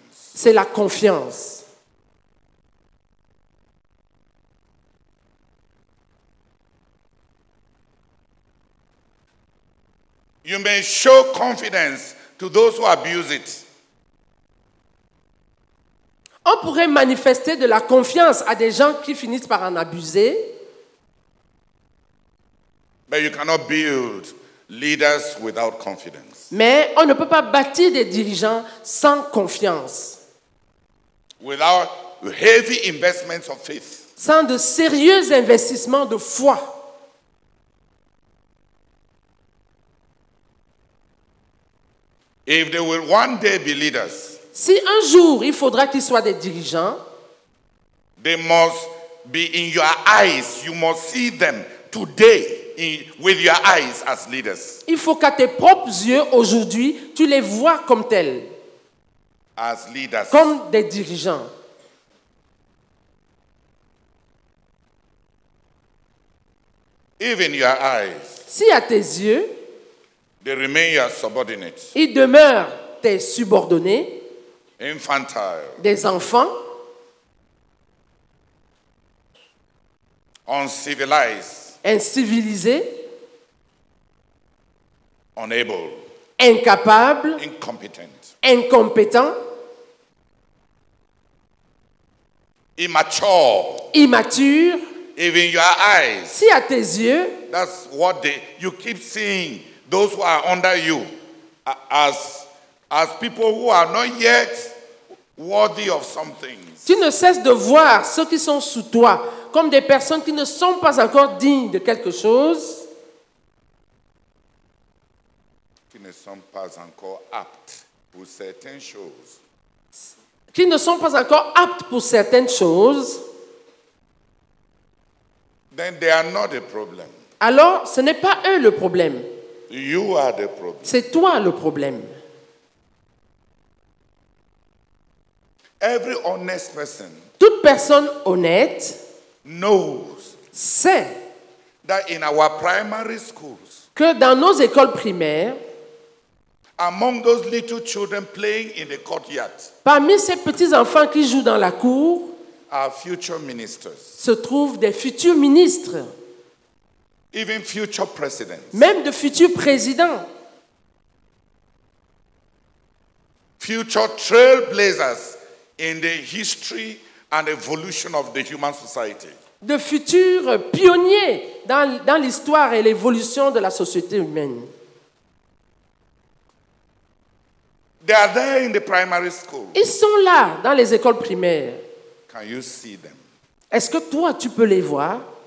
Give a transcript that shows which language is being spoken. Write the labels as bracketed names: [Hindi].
[French] C'est la confiance. [English] You may show confidence to those who abuse it. [French] On pourrait manifester de la confiance à des gens qui finissent par en abuser. [English] But you cannot build leaders without confidence. [French] Mais on ne peut pas bâtir des dirigeants sans confiance. [English] Without heavy investments of faith. [French] Sans de sérieux investissements de foi. [English] If they will one day be leaders, [French] si un jour il faudra qu'ils soient des dirigeants, [English] they must be in your eyes. You must see them today with your eyes as leaders. [French] Il faut qu'à tes propres yeux aujourd'hui, tu les vois comme tels. [English] As leaders. [French] Comme des dirigeants. [English] Even your eyes. [French] Si à tes yeux. [English] They remain your subordinates. [French] Ils demeurent tes subordonnés. [English] Infantile. [French] Des enfants. [English] Uncivilized. [French] Incivilisés. [English] Unable. [French] Incapables. [English] Incompetent. [French] Incompétents. [English] Immature. [French] Immature. [English] Even your eyes. [French] Si à tes yeux. [English] That's what they. You keep seeing. Those who are under you, as people who are not yet worthy of something. [French] Tu ne cesses de voir ceux qui sont sous toi comme des personnes qui ne sont pas encore dignes de quelque chose. Qui ne sont pas encore aptes pour certaines choses. Qui ne sont pas encore aptes pour certaines choses. [English] Then they are not the problem. [French] Alors, ce n'est pas eux le problème. [English] You are the problem. [French] C'est toi le problème. [English] Every honest person. [French] Toute personne honnête [English] knows. [French] Sait [English] that in our primary schools. [French] Que dans nos écoles primaires. [English] Among those little children playing in the courtyard. [French] Parmi ces petits enfants qui jouent dans la cour. [English] Our future ministers. [French] Se trouvent des futurs ministres. [English] Even future presidents. [French] Même de futurs présidents. [English] Future trailblazers in the history and evolution of the human society. [French] De futurs pionniers dans l'histoire et l'évolution de la société humaine. [English] They are there in the primary school. [French] Ils sont là dans les écoles primaires. [English] Can you see them? [French] Est-ce que toi tu peux les voir?